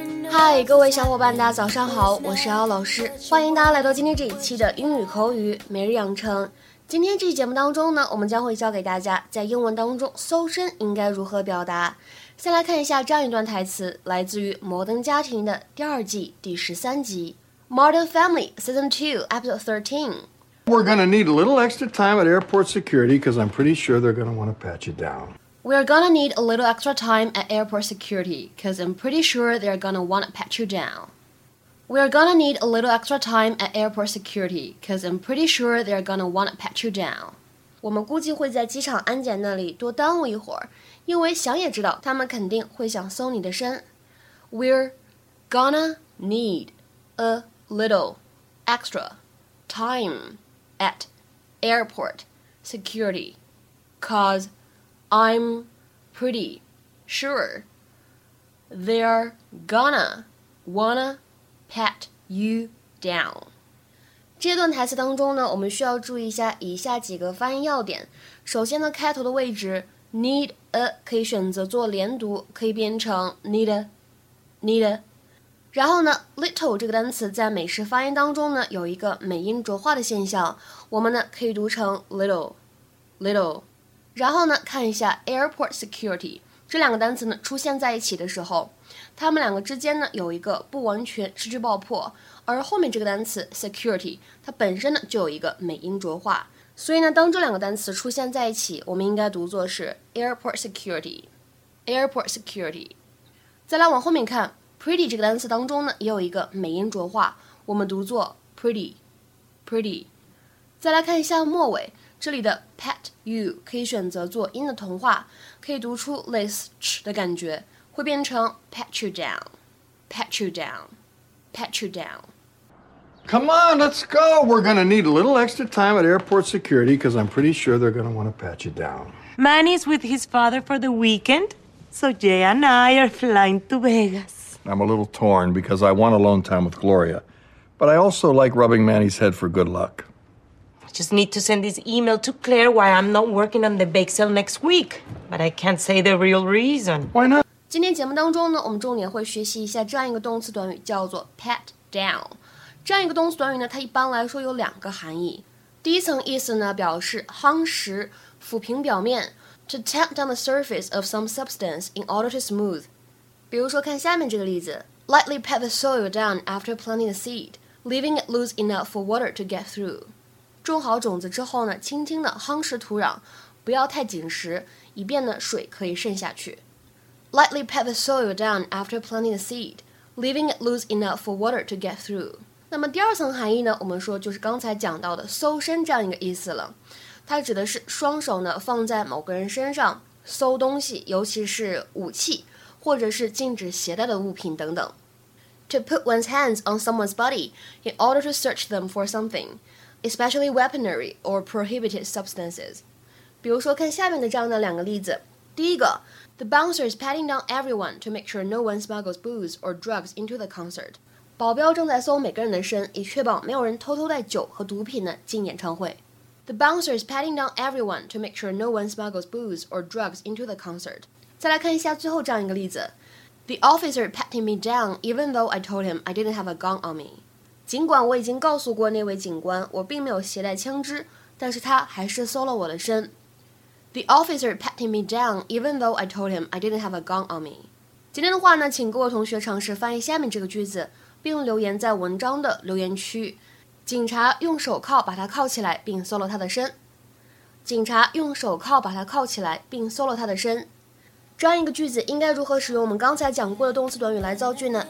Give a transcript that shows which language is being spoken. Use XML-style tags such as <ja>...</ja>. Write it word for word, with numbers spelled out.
<zh>嗨，各位小伙伴，大家早上好，我是姚老师，欢迎大家来到今天这一期的英语口语每日养成。今天这期节目当中呢，我们将会教给大家在英文当中搜身应该如何表达。先来看一下这样一段台词，来自于《摩登家庭》的第二季第十三集，《Modern Family Season Two Episode Thirteen》。</zh> <en>We're going to need a little extra time at airport security because I'm pretty sure they're going to want to pat you down. We're gonna need a little extra time at airport security, cause I'm pretty sure they're gonna wanna pat you down. We're gonna need a little extra time at airport security, cause I'm pretty sure they're gonna wanna pat you down.</en> <zh>我们估计会在机场安检那里多耽误一会儿，因为想也知道他们肯定会想搜你的身。</zh> <en>We're gonna need a little extra time at airport security, cause. I'm pretty sure they're gonna wanna pat you down.</en> <zh>这段台词当中呢，我们需要注意一下以下几个发音要点。首先呢，开头的位置 need a 可以选择做连读，可以变成 need a need a。然后呢 little 这个单词在美式发音当中呢，有一个美音浊化的现象，我们呢可以读成 little little。然后呢，看一下 airport security 这两个单词呢出现在一起的时候，它们两个之间呢有一个不完全失去爆破，而后面这个单词 security 它本身呢就有一个美音浊化，所以呢当这两个单词出现在一起，我们应该读作是 airport security airport security。再来往后面看 pretty 这个单词当中呢也有一个美音浊化，我们读作 pretty pretty。再来看一下末尾，这里的 pat you 可以选择做音的同化，可以读出类似 ch 的感觉，会变成 pat you down pat you down pat you down。</zh> <en>Come on, let's go. We're going to need a little extra time at airport security because I'm pretty sure they're going to want to pat you down. Manny's with his father for the weekend, so Jay and I are flying to Vegas. I'm a little torn because I want alone time with Gloria, but I also like rubbing Manny's head for good luck. Just need to send this email to Claire why I'm not working on the bake sale next week. But I can't say the real reason. Why not?</en> <zh>今天节目当中呢，我们重点会学习一下这样一个动词短语，叫做 pat down。这样一个动词短语呢，它一般来说有两个含义。第一层意思呢，表示夯实、抚平表面</zh> <en>，to tamp down the surface of some substance in order to smooth。</en> <zh>比如说，看下面这个例子</zh> <en>：Lightly pat the soil down after planting the seed, leaving it loose enough for water to get through.</en> <zh>种好种子之后呢，轻轻的夯实土壤，不要太紧实，以便呢水可以渗下去。</zh> <en>Lightly pat the soil down after planting the seed, leaving it loose enough for water to get through.</en> <zh>那么第二层含义呢，我们说就是刚才讲到的搜身这样一个意思了。它指的是双手呢放在某个人身上搜东西，尤其是武器或者是禁止携带的物品等等。</zh> <en>To put one's hands on someone's body in order to search them for something. Especially weaponry or prohibited substances.</en> <zh>比如说，看下面的这样的两个例子。第一个</zh> <en>，The bouncer is patting down everyone to make sure no one smuggles booze or drugs into the concert.</en> <zh>保镖正在搜每个人的身，以确保没有人偷偷带酒和毒品呢进演唱会。</zh> <en>The bouncer is patting down everyone to make sure no one smuggles booze or drugs into the concert.</en> <zh>再来看一下最后这样一个例子</zh> <en>，The officer patted me down even though I told him I didn't have a gun on me.</en> <zh>尽管我已经告诉过那位警官我并没有携带枪支，但是他还是搜了我的身。</zh> <en>The officer patted me down even though I told him I didn't have a gun on me.</en> <zh>今天的话呢，请各位同学尝试翻译下面这个句子，并留言在文章的留言区。警察用手铐把他铐起来并搜了他的身。警察用手铐把他铐起来并搜了他的身。这样一个句子应该如何使用我们刚才讲过的动词短语来造句呢？</zh>